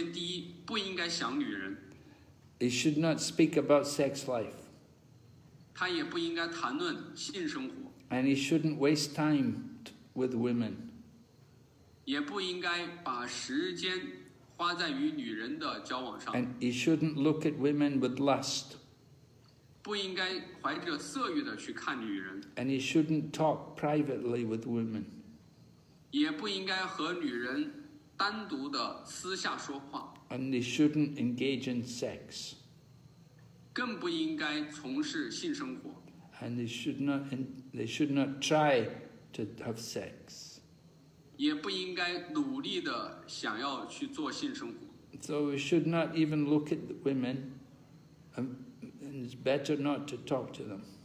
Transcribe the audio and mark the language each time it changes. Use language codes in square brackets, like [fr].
[zh] 这八个方面的指导是：首先，第一，不应该想女人。 [en] He should not speak about sex life. [zh] 他也不应该谈论性生活。 [en] And he shouldn't waste time with women. [zh] 也不应该把时间花在与女人的交往上。 [en] And he shouldn't look at women with lust. [zh] 不应该怀着色欲的去看女人。 [en] And he shouldn't talk privately with women. [zh] 也不应该和女人单独的私下说话。 [en] And he shouldn't engage in sex. [zh] 更不应该从事性生活。 [en] And they should not try to have sex. [zh] 也不应该努力的想要去做性生活。 [en] So we should not even look at the women, and it's better not to talk to them.